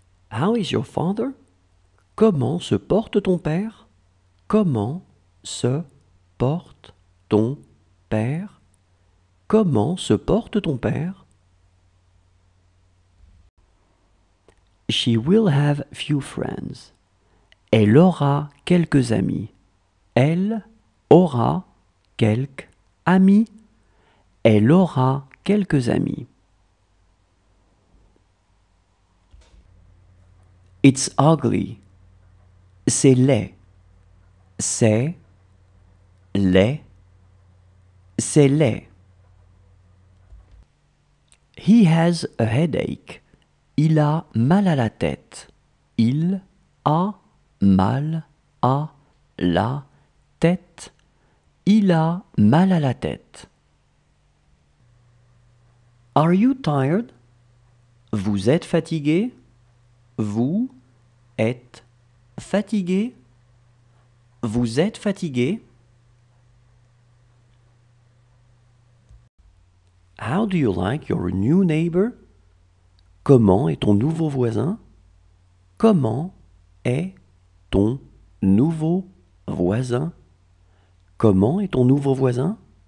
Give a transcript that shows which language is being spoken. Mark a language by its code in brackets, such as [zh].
[en] How is your father? [fr] Comment se porte ton père? Comment se porte ton père? Comment se porte ton père? [en] She will have few friends. [fr] Elle aura quelques amis. Elle aura quelques amis. Elle aura quelques amis. [en] It's ugly. [fr] C'est laid. C'est laid. C'est laid. [en] He has a headache. [fr] Il a mal à la tête. Il a mal à la tête. Il a mal à la tête. [en] Are you tired? [fr] Vous êtes fatigué? Vous êtes fatigué? Vous êtes fatigué? [en] How do you like your new neighbor? [fr] Comment est ton nouveau voisin? Comment est ton nouveau voisin? Comment est ton nouveau voisin?